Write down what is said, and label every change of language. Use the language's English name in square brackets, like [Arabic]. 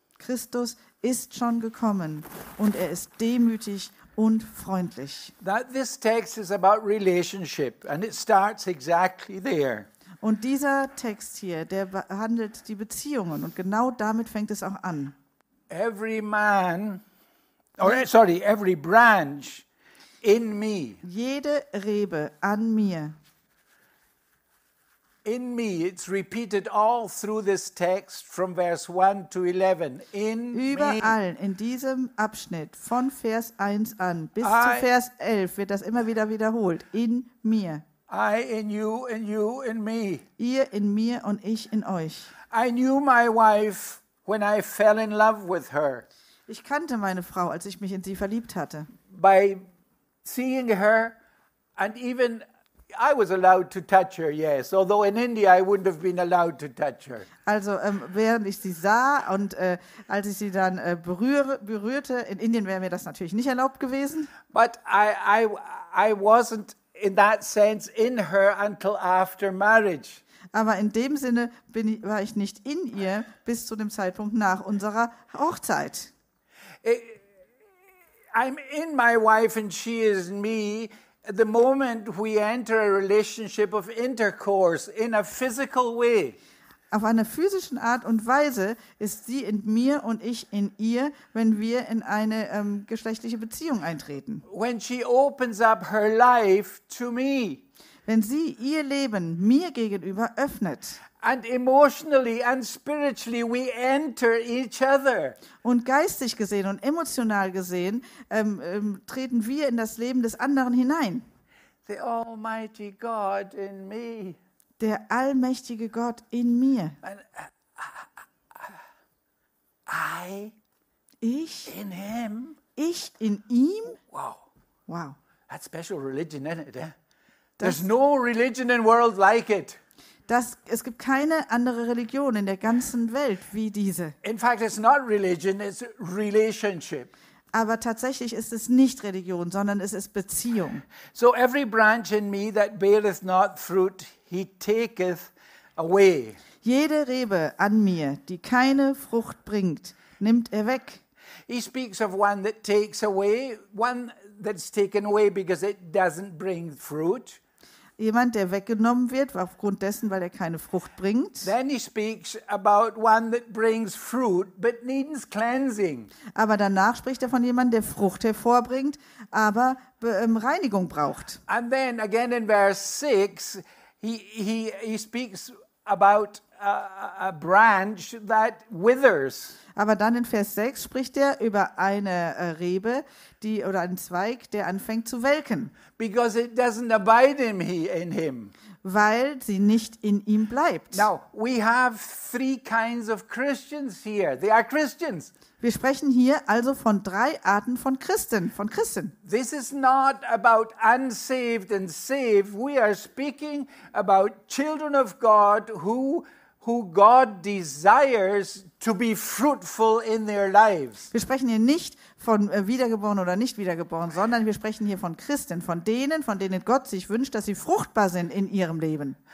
[German] Christus ist schon gekommen, und er ist demütig und freundlich. [English] That this text is about relationship, and it starts exactly there. [German] Und dieser Text hier, der behandelt die Beziehungen, und genau damit fängt es auch an. [English] Every man, or sorry, every branch in me. [German] Jede Rebe an mir. [English] In me, it's repeated all through this text from verse 1 to 11. In [German] Überall me. In diesem Abschnitt von Vers 1 an bis zu Vers 11 wird das immer wieder wiederholt. In mir. [English] I in you and you in me. [German] Ihr in mir und ich in euch. [English] I knew my wife. When I fell in love with her. [German] Ich kannte meine Frau, als ich mich in sie verliebt hatte. [English] By seeing her and even I was allowed to touch her, yes. Although in India I wouldn't have been allowed to touch her. [German] Also während ich sie sah und als ich sie dann berührte, in Indien wäre mir das natürlich nicht erlaubt gewesen. [English] But I wasn't in that sense in her until after marriage. [German] Aber in dem Sinne war ich nicht in ihr bis zu dem Zeitpunkt nach unserer Hochzeit. [English] I'm in my wife and she is me. The moment we enter a relationship of intercourse in a physical way. [German] Auf einer physischen Art und Weise ist sie in mir und ich in ihr, wenn wir in eine geschlechtliche Beziehung eintreten. [English] When she opens up her life to me. [German] Wenn sie ihr Leben mir gegenüber öffnet. [English] And emotionally and spiritually we enter each other. [German] Und geistig gesehen und emotional gesehen treten wir in das Leben des anderen hinein. [English] The Almighty God in me. [German] Der allmächtige Gott in mir. Ich [English] in him. [German] Ich in ihm. Wow. Wow. [English] That's special religion, isn't it? Eh? There's no religion in world like it. [German] Es gibt keine andere Religion in der ganzen Welt wie diese. [English] In fact, it's not religion, it's relationship. [German] Aber tatsächlich ist es nicht Religion, sondern es ist Beziehung. [English] So every branch in me that beareth not fruit, he taketh away. [German] Jede Rebe an mir, die keine Frucht bringt, nimmt er weg. [English] He speaks of one that takes away, one that's taken away because it doesn't bring fruit. [German] Jemand, der weggenommen wird, aufgrund dessen, weil er keine Frucht bringt. [English] Then he speaks about one that brings fruit, but needs cleansing. [German] Aber danach spricht er von jemandem, der Frucht hervorbringt, aber Reinigung braucht. [English] And then again in verse 6, he speaks about a branch that withers. [German] Aber dann in Vers 6 spricht er über eine Rebe, die oder einen Zweig, der anfängt zu welken. [English] Because it doesn't abide in him. [German] Weil sie nicht in ihm bleibt. [English] Now, we have three kinds of Christians here. They are Christians. [German] Wir sprechen hier also von drei Arten von Christen, von Christen. [English] This is not about unsaved and saved. We are speaking about children of God who God desires to be fruitful in their lives. [German] Wir sprechen hier nicht von wiedergeboren oder nicht wiedergeboren, sondern wir sprechen hier von Christen, von denen Gott sich wünscht, dass sie fruchtbar sind in ihrem Leben.